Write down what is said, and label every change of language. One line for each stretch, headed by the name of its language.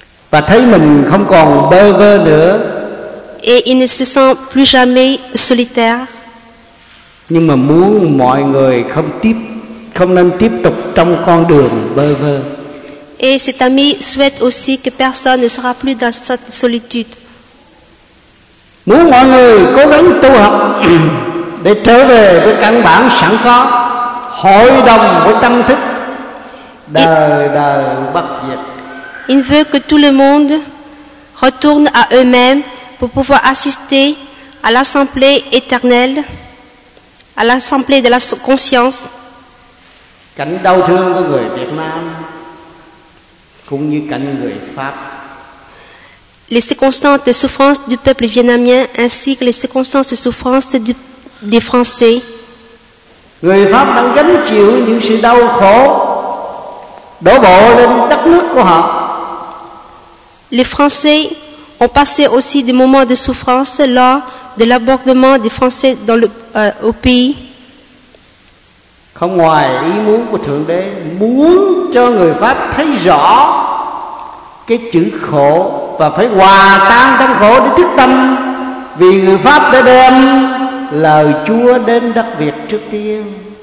Vietnamese: Và thấy mình không còn bơ vơ nữa.
French: Et il ne se sent plus jamais solitaire.
Vietnamese: Nhưng mà muốn mọi người không tiếp không nên tiếp tục trong con đường bơ vơ.
French: Et cet ami souhaite aussi que personne ne sera plus dans cette solitude.
Vietnamese: Muốn mọi người cố gắng tu học để trở về với căn bản sẵn có, hội đồng với tâm thức đời đời bất diệt.
French: Il veut que tout le monde retourne à eux-mêmes pour pouvoir assister à l'assemblée éternelle, à l'assemblée de la conscience.
Vietnamese: Cảnh đau thương của người Việt Nam cũng như cảnh người Pháp.
French: Les circonstances de souffrance du peuple vietnamien ainsi que les circonstances de souffrance des Français.
Vietnamese: Người Pháp đang gánh chịu những sự đau khổ đổ bộ lên đất nước của họ.
French: Les Français ont passé aussi des moments de souffrance lors de l'abordement des Français dans le au pays.
Vietnamese: Không ngoài ý muốn của Thượng Đế, muốn cho người Pháp thấy rõ cái chữ khổ và phải hòa tan trong khổ để thức tâm, vì người Pháp đã đem lời Chúa đến đất Việt trước tiên.